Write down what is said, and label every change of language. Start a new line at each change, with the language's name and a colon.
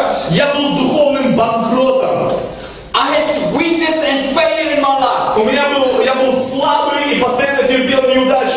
Russian: Я был духовным банкротом.
English: I had weakness and failure in my life.
Russian: У меня был слабый и постоянно терпел неудачи.